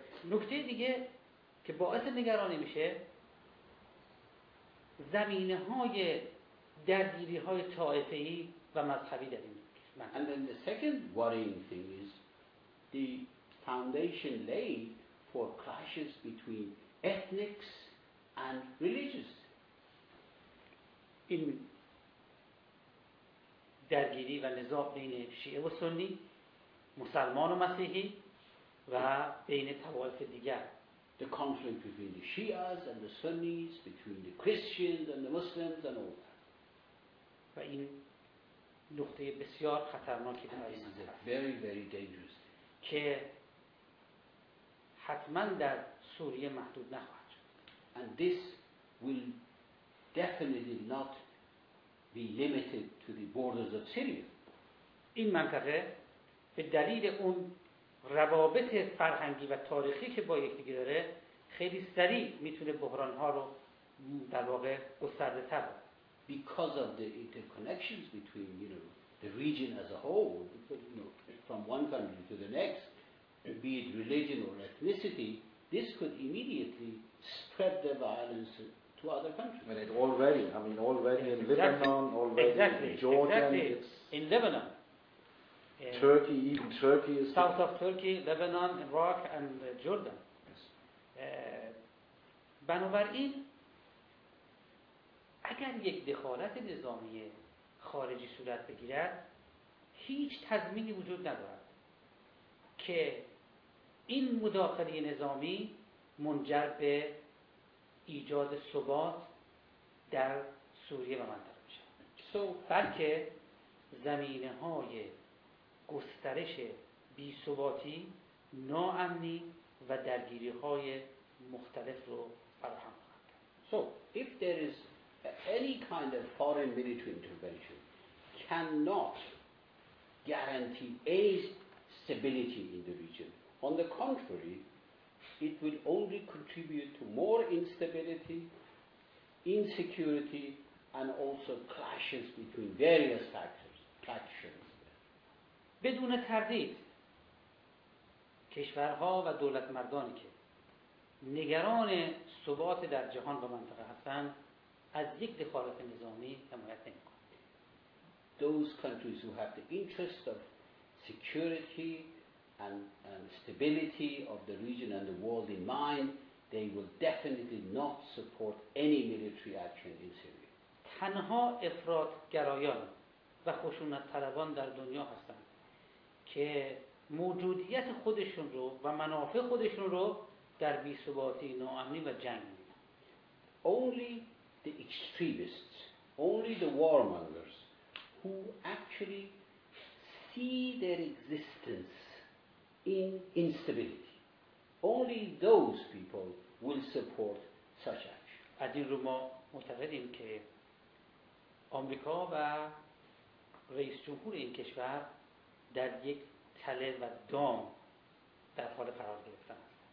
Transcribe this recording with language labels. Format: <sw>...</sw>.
<fa>نکته دیگه که باعث نگرانی میشه زمینه‌های درگیری‌های طائفه‌ای و مذهبی در این منطقه.</fa> <en>And then the second worrying thing is the foundation laid for clashes between ethnics and religious.</en> <fa>این درگیری و نزاع بین شیعه و سنی، مسلمان و مسیحی و بین طوائف دیگر.</fa> <en>The conflict between the Shias and the Sunnis, between the Christians and the Muslims and all that.</en> <fa>و این نقطه بسیار خطرناکی در این منطقه.</fa> <en>Very, very dangerous.</en> <fa>که حتما در سوریه محدود نخواهد شد.</fa> <en>And this will definitely not be limited to the borders of Syria.</en> <fa>این منطقه به دلیل اون روابط فرهنگی و تاریخی که با یکدیگه داره خیلی سریع میتونه بحران ها رو در واقع گسترده تر بکنه.</fa> <en>Because of the interconnections between, you know, the region as a whole, you know, from one country to the next, be it religion or ethnicity, this could immediately spread the violence to other countries. But it already, I mean, already in Lebanon, already in Jordan, it's in Lebanon. Turkey, even Turkey is south of Turkey, Lebanon, Iraq, and Jordan. Yes.</en> <fa>بنابراین اگر یک دخالت نظامی خارجی صورت بگیرد هیچ تضمینی وجود ندارد که این مداخله نظامی منجر به ایجاد ثبات در سوریه و منطقه بشه، بلکه زمینه های گسترش بی ثباتی، ناامنی و درگیری های مختلف رو فراهم خواهد کرد.</fa> <en>So if there is any kind of foreign military intervention cannot guarantee any stability in the region. On the contrary, it will only contribute to more instability, insecurity, and also clashes between various factors. Factions.</en> <fa>بدون تردید کشورها و دولت مردانی که نگران ثبات در جهان و منطقه هستند از یک دخالت نظامی حمایت نمی‌کنند.</fa> <en>Those countries who have the interest of security and stability of the region and the world in mind, they will definitely not support any military action in Syria.</en> <fa>تنها افراد گرایان و خشونت طلبان در دنیا هستند که موجودیت خودشون رو و منافع خودشون رو در بی‌ثباتی، ناامنی و جنگ می‌بینن.</fa> <en>Only the extremists, only the warmongers who actually see their existence in instability, only those people will support such action.</en> <fa>از این رو ما معتقدیم که آمریکا و رئیس جمهور این کشور در یک تله و دام در حال قرار گرفتن است.</fa>